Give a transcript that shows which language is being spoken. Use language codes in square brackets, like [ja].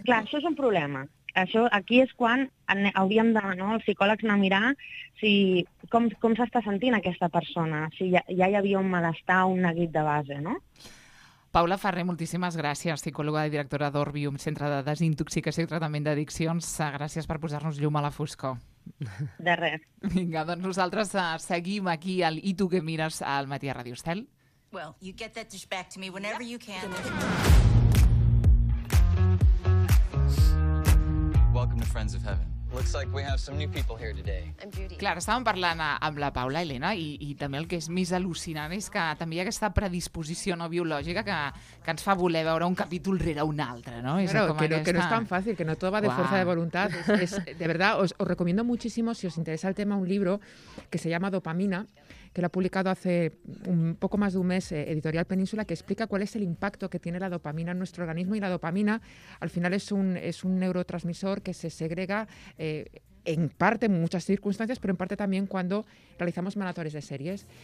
[ca] Clar, això és un problema. Això, aquí és quan hauríem de, no, els psicòlegs, anar a mirar si, com s'està sentint aquesta persona, si ja hi havia un malestar, un neguit de base, no? Paula Ferrer, moltíssimes gràcies, psicòloga i directora d'Orbium, centre de desintoxicació i tractament d'addiccions. Gràcies per posar-nos llum a la foscor. De res. Vinga, doncs nosaltres seguim aquí al I tu què mires al matí a Ràdio Estel. [en] Well, you get that dish back to me whenever you can. Welcome to Friends of Heaven. Looks like we have some new people here today. I'm Judy. [ca] Clar, estàvem parlant amb la Paula, Elena, i també el que és més al·lucinant és que també hi ha aquesta predisposició no biològica que ens fa voler veure un capítol rere un altre, no? És claro, com que, aquesta... no, que no és tan fàcil, que no tot va de força de voluntat. [es] Es, de verdad, os recomiendo muchísimo, si os interesa el tema, un libro que se llama Dopamina, que lo ha publicado hace un poco más de un mes Editorial Península, que explica cuál es el impacto que tiene la dopamina en nuestro organismo. Y la dopamina, al final, es un neurotransmisor que se segrega en parte, en muchas circunstancias, pero en parte también cuando realizamos maratones de series.